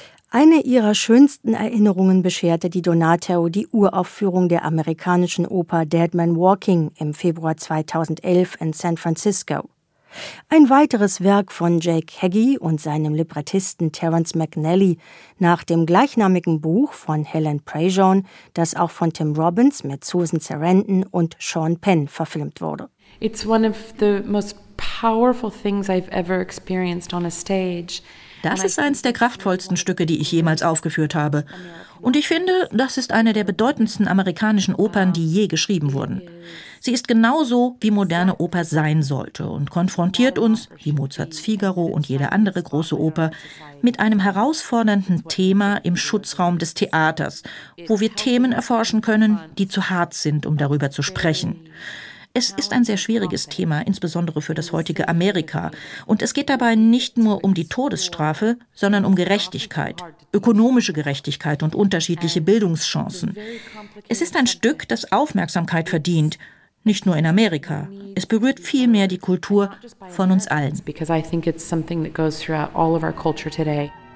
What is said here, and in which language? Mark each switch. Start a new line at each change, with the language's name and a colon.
German: Eine ihrer schönsten Erinnerungen bescherte DiDonato die Uraufführung der amerikanischen Oper Dead Man Walking im Februar 2011 in San Francisco. Ein weiteres Werk von Jake Heggie und seinem Librettisten Terence McNally nach dem gleichnamigen Buch von Helen Prejean, das auch von Tim Robbins mit Susan Sarandon und Sean Penn verfilmt wurde.
English: It's one of the most powerful things I've ever experienced on a stage.
German: Das ist eins der kraftvollsten Stücke, die ich jemals aufgeführt habe. Und ich finde, das ist eine der bedeutendsten amerikanischen Opern, die je geschrieben wurden. Sie ist genauso, wie moderne Oper sein sollte und konfrontiert uns, wie Mozarts Figaro und jede andere große Oper, mit einem herausfordernden Thema im Schutzraum des Theaters, wo wir Themen erforschen können, die zu hart sind, um darüber zu sprechen. Es ist ein sehr schwieriges Thema, insbesondere für das heutige Amerika. Und es geht dabei nicht nur um die Todesstrafe, sondern um Gerechtigkeit, ökonomische Gerechtigkeit und unterschiedliche Bildungschancen. Es ist ein Stück, das Aufmerksamkeit verdient, nicht nur in Amerika. Es berührt vielmehr die Kultur von uns allen.
English: Because I think it's something that goes throughout all of our culture today.